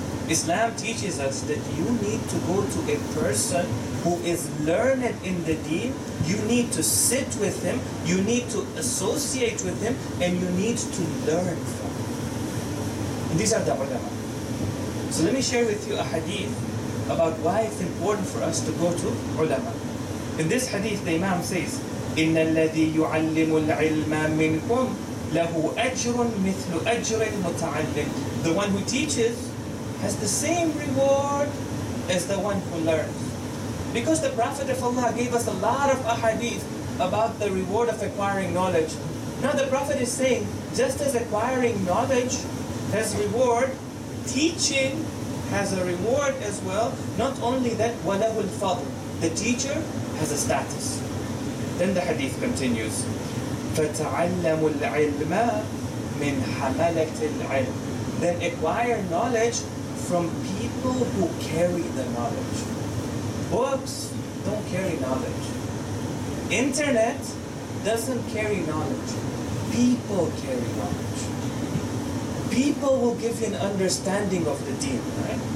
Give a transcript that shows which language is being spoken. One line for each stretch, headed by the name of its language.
English: Islam teaches us that you need to go to a person who is learned in the deen. You need to sit with him, you need to associate with him, and you need to learn from him. These are the ulama. So let me share with you a hadith about why it's important for us to go to ulama. In this hadith, the Imam says,
Arabic: إِنَّ الَّذِي يُعَلِّمُ الْعِلْمَ مِنْكُمْ لَهُ أَجْرٌ مِثْلُ أَجْرِ الْمُتَعَلِّمِ.
English: The one who teaches has the same reward as the one who learns. Because the Prophet of Allah gave us a lot of ahadith about the reward of acquiring knowledge. Now the Prophet is saying, just as acquiring knowledge has reward, teaching has a reward as well. Not only that,
Arabic: وَلَهُ الْفَضْلِ.
English: The teacher has a status. Then the hadith continues,
Arabic: فَتَعَلَّمُ الْعِلْمَ مِنْ حَمَلَكْتِ الْعِلْمِ.
English: Then acquire knowledge from people who carry the knowledge. Books don't carry knowledge. Internet doesn't carry knowledge. People carry knowledge. People will give you an understanding of the deen, right?